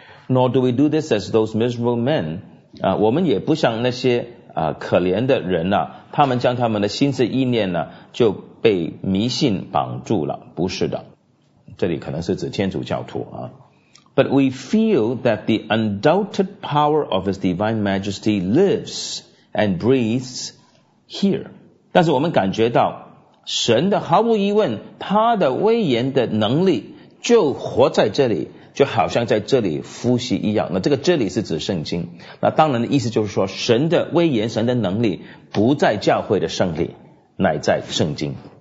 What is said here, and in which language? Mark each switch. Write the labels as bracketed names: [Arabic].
[English] Nor do we do this as those miserable men. [Chinese] 我们也不像那些可怜的人啊，他们将他们的心思意念呢就被迷信绑住了，不是的。这里可能是指天主教徒啊。 [English] But we feel that the undoubted power of His divine majesty lives and breathes here. [Chinese] 但是我们感觉到神的毫无疑问，他的威严的能力就活在这里，就好像在这里呼吸一样。那这个这里是指圣经，那当然的意思就是说，神的威严神的能力不在教会的圣礼，乃在圣经。